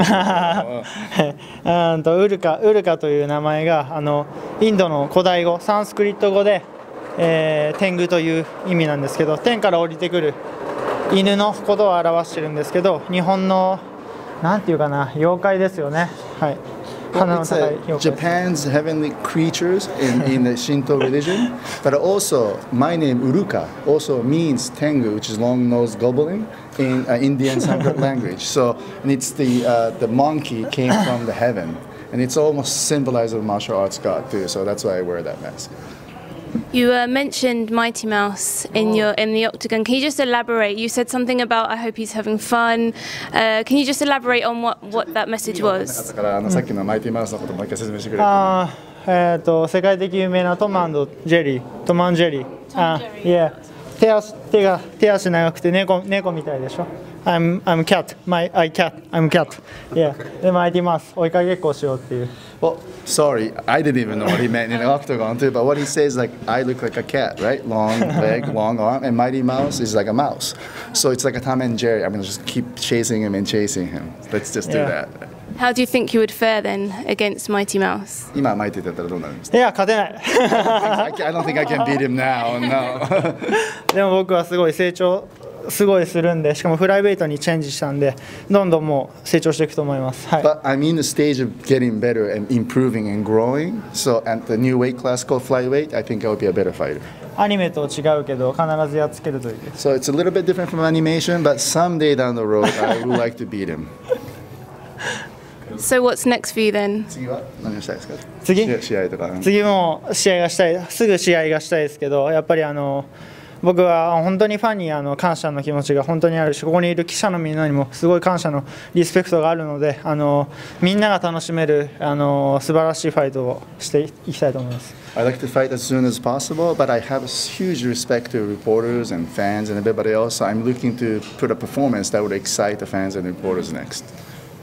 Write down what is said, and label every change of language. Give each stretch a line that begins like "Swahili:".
Japanese: ウルカ、ウルカという名前がインドの古代語、サンスクリット語で、天狗という意味なんですけど、天から降りてくる犬のことを表してるんですけど、日本のなんていうかな、妖怪ですよね。はい。
English: It's a Japan's heavenly creatures in the Shinto religion. But also, my name, Uruka, also means Tengu, which is long-nosed goblin in Indian Sanskrit language. So, and it's the monkey came from the heaven. And it's almost symbolized of a martial arts god, too. So that's why I wear that mask. You mentioned Mighty Mouse in the octagon. Can you just elaborate? You said something about, I hope he's having fun. Can you just elaborate on what that message was?
Japanese: さっきのマイティマウスのこともう一回説明してくれる。ああ、世界的有名なトマンド、ジェリー、トマンジェリー。あ、いや、手足長くて猫みたいでしょ。
English: I'm cat. I cat. I'm cat. Yeah. Mighty Mouse.
Japanese: 追いかけっこしようっていう。
English: Well, sorry. I didn't even know what he meant in the octagon too. But what he says is like, I look like a cat, right? Long leg, long arm. And Mighty Mouse is like a mouse. So it's like a Tom and Jerry. I'm going to just keep chasing him. Let's just do that. How do you think you would fare then against Mighty Mouse?
Japanese: 今マイティだったらどうなるんですか? Yeah, 勝てない。
English: I don't think I can beat him now, no.
Japanese: でも僕はすごい成長。すごいするんで、しかもフライウェイトにチェンジしたんで、どんどんもう成長していくと思います。はい。
English: But I'm in the stage of getting better and improving and growing. So at the new weight class called flyweight, I think I will be a better fighter.
Japanese: アニメと違うけど、必ずやっつけるという。
English: So it's a little bit different from animation, but someday down the road, I would like to beat him. So what's next for you then?
Japanese: 次は何をしたいですか? 次?試合とか。次も試合がしたい。すぐ試合がしたいですけど、やっぱり僕は本当にファンに感謝の気持ちが本当にあるし、ここにいる記者のみんなにもすごい感謝のリスペクトがあるので、みんなが楽しめる素晴らしいファイトをしていきたいと思います。
English: I'd like to fight as soon as possible, but I have huge respect to reporters and fans and everybody else. I'm looking to put a performance that would excite the fans and reporters next.